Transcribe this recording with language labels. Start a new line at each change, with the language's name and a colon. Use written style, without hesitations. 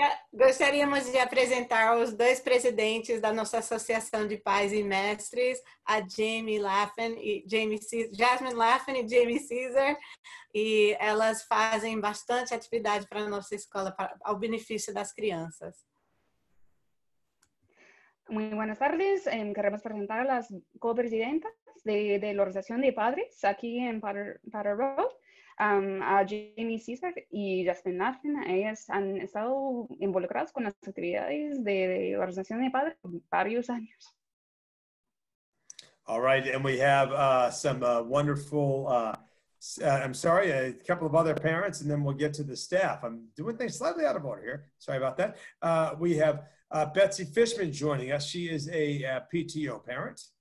Portuguese: Gostaríamos de apresentar os dois presidentes da nossa Associação de Pais e Mestres, a Jasmine Laffin e Jamie Caesar, e elas fazem bastante atividade para a nossa escola, ao benefício das crianças.
Spanish: Muy buenas tardes. Queremos presentar las co-presidentas de la Organización de Padres aquí en Potter Road. A Jamie Caesar y Jasmine Laffin, ellas han estado involucradas con las actividades de la organización de padres por varios años.
English: All right, and we have a couple of other parents, and then we'll get to the staff. I'm doing things slightly out of order here. Sorry about that. We have Betsy Fishman joining us. She is a PTO parent.